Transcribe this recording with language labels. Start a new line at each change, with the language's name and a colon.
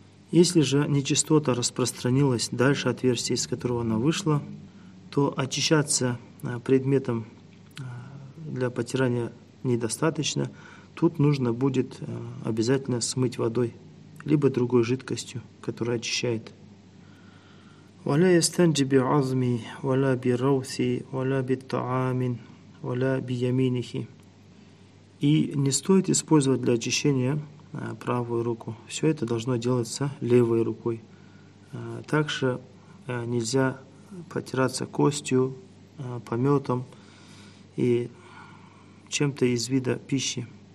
Russian: Если же нечистота распространилась дальше отверстия, из которого она вышла, то очищаться предметом для потирания недостаточно. Тут нужно будет обязательно смыть водой, либо другой жидкостью, которая очищает.
Arabic: ولا يستنجب عظمي ولا بروثي ولا بالطعام ولا بيمينه.
Russian: И не стоит использовать для очищения правую руку. Все это должно делаться левой рукой. Также нельзя потираться костью, пометом и чем-то из вида пищи.